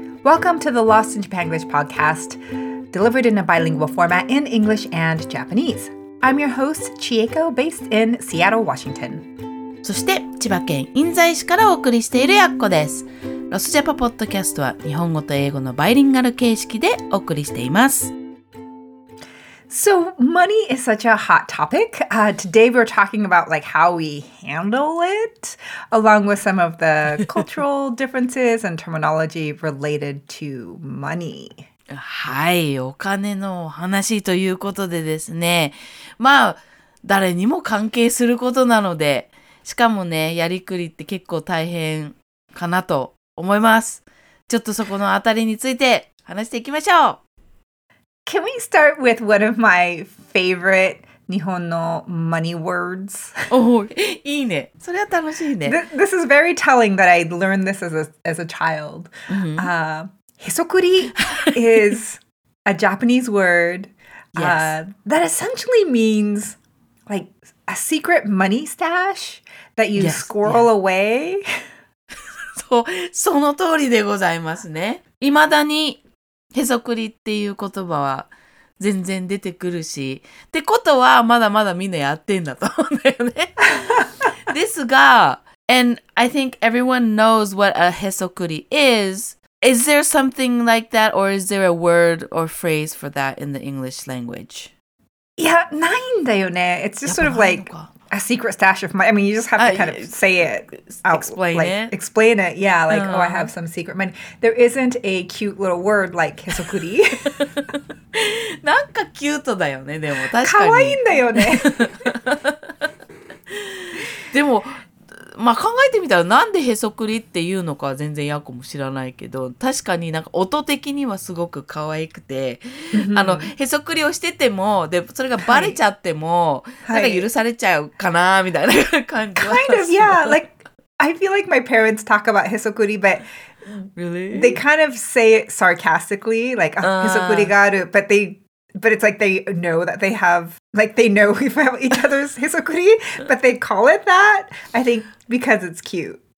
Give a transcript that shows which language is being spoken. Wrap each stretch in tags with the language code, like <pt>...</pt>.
<en>Welcome to the Lost in Japan English podcast, delivered in a bilingual format in English and Japanese. I'm your host, Chieko, based in Seattle, Washington.</en> <ja>そして千葉県印西市からお送りしているやっこです。ロスジャパポッドキャストは日本語と英語のバイリンガル形式でお送りしています。</ja> <en>So money is such a hot topic. Today we're talking about like how we handle it, along with some of the cultural differences and terminology related to money.</en> <ja>はい、お金の話ということでですね。まあ、誰にも関係することなので、しかもね、やりくりって結構大変かなと思います。ちょっとそこのあたりについて話していきましょう。</ja> <en>Can we start with one of my favorite 日本の money words?</en> <ja>Oh, いいね。それは楽しいね。</ja> <en>This is very telling that I learned this as a child. Hisokuri is a Japanese word that essentially means like a secret money stash that you squirrel away.</en> <ja>そう、その通りでございますね。いまだにへそくりっていう言葉は全然出てくるし、ってことはまだまだみんなやってんだと思うんだよね。ですが、</ja> <en>and I think everyone knows what a へそくり is. Is there something like that, or is there a word or phrase for that in the English language?</en> <ja>いや、ないんだよね。</ja> <en>It's just sort of like a secret stash of money. I mean, you just have to kind of say it. Explain it. Yeah, like, oh, I have some secret money. There isn't a cute little word like hisokuri.</en> <ja>なんかキュートだよね、でも。確かに。かわいいんだよね。でも、まあ考えてみたら、なんでへそくりっていうのか全然ヤコも知らないけど、確かになんか音的にはすごく可愛くて、あの、へそくりをしてても、で、それがバレちゃっても、なんか許されちゃうかな、みたいな感じ</ja> <en>は。Kind of, yeah. Like, I feel like my parents talk about へそくり, but really? They kind of say it sarcastically, like,</en> <ja>へそくりがある,</ja> <en>but it's like they know that they have, like they know we have each other's hisokuri, but they call it that, I think, because it's cute.</en>